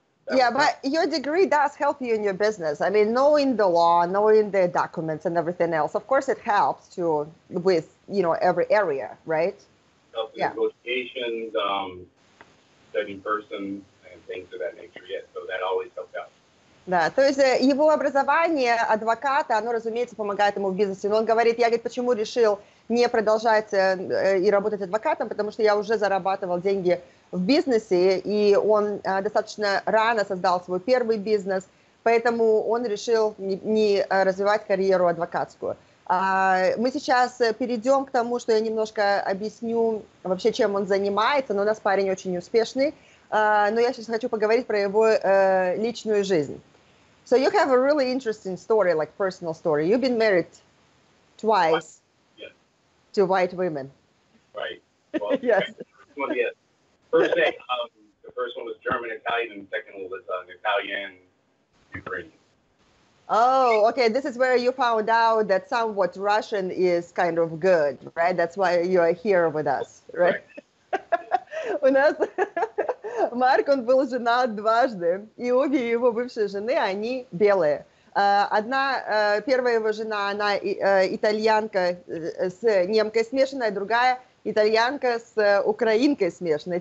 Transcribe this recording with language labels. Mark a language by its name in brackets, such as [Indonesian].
[English] Yeah, but your degree does help you in your business. I mean, knowing the law, knowing the documents and everything else, of course, it helps to with, you know, every area, right? Helps yeah. Negotiations, studying person and things of that nature, yeah. So that always helps out. [Russian] Да, то есть его образование адвоката, оно, разумеется, помогает ему в бизнесе. Но он говорит, я, говорит, почему решил не продолжать и работать адвокатом, потому что я уже зарабатывал деньги в бизнесе, и он достаточно рано создал свой первый бизнес, поэтому он решил не развивать карьеру адвокатскую. Мы сейчас перейдем к тому, что я немножко объясню вообще, чем он занимается, но у нас парень очень успешный. Но я сейчас хочу поговорить про его личную жизнь. [English] So you have a really interesting story, like personal story. You've been married twice. Yes. To white women. Right. Well, yes. First day, the first one was German Italian, and the second one was Italian Ukrainian. Oh, okay. This is where you found out that somewhat Russian is kind of good, right? That's why you are here with us, right? Right. [Russian] У нас Марк, он был женат дважды, и обе его бывшие жены, они белые. Одна, первая его жена, она итальянка с немкой смешанная, другая итальянка с украинкой смешанная.